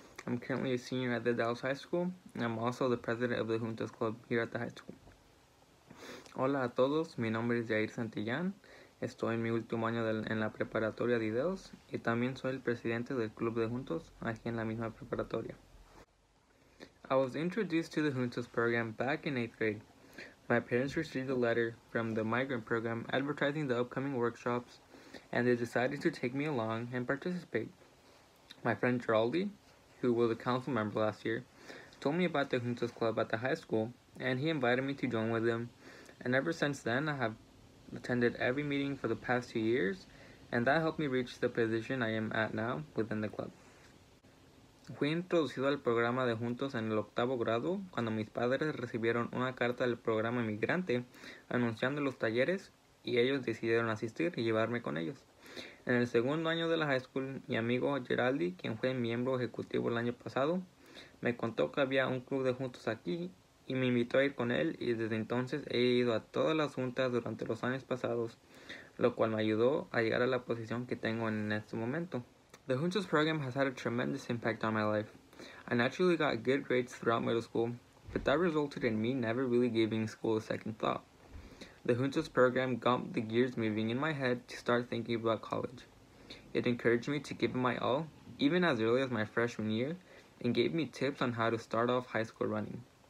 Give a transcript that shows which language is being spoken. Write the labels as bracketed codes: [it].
[en] I'm currently a senior at the Dallas High School, and I'm also the president of the Juntas Club here at the high school. [es] Hola a todos, mi nombre es Jair Santillan. Estoy en mi último año en la preparatoria de IDEOS, y también soy el presidente del Club de Juntos aquí en la misma preparatoria. [en] I was introduced to the Juntas program back in 8th grade. My parents received a letter from the migrant program advertising the upcoming workshops, and they decided to take me along and participate. My friend Geraldi, who was a council member last year, told me about the Juntos Club at the high school, and he invited me to join with him. And ever since then, I have attended every meeting for the past 2 years, and that helped me reach the position I am at now within the club. [es] Fui introducido al programa de Juntos en el octavo grado cuando mis padres recibieron una carta del programa Migrante anunciando los talleres, y ellos decidieron asistir y llevarme con ellos. En el segundo año de la high school, mi amigo Geraldi, quien fue miembro ejecutivo el año pasado, me contó que había un club de juntos aquí y me invitó a ir con él, y desde entonces he ido a todas las juntas durante los años pasados, lo cual me ayudó a llegar a la posición que tengo en este momento. [en] The Juntos program has had a tremendous impact on my life. I naturally got good grades throughout middle school, but that resulted in me never really giving school a second thought. The Juntos program got the gears moving in my head to start thinking about college. It encouraged me to give it my all, even as early as my freshman year, and gave me tips on how to start off high school running.